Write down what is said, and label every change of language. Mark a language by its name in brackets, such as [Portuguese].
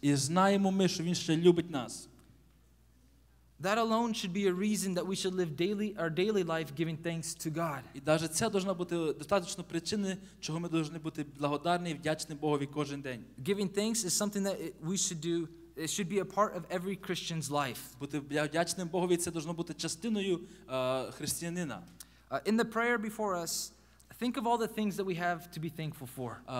[Ukrainian] І знаємо ми, що він ще любить нас. [English] That alone should be a reason that we should live our daily life giving thanks to God. [Ukrainian] І даже це должна бути достатньо причини, чого ми должны бути благодарні і вдячні Богові кожен день. [English] Giving thanks is something that we should do. It should be a part of every Christian's life. [Ukrainian] Бути вдячним Богові це должно бути частиною християнина. [English] In the prayer before us, think of all the things that we have to be thankful for.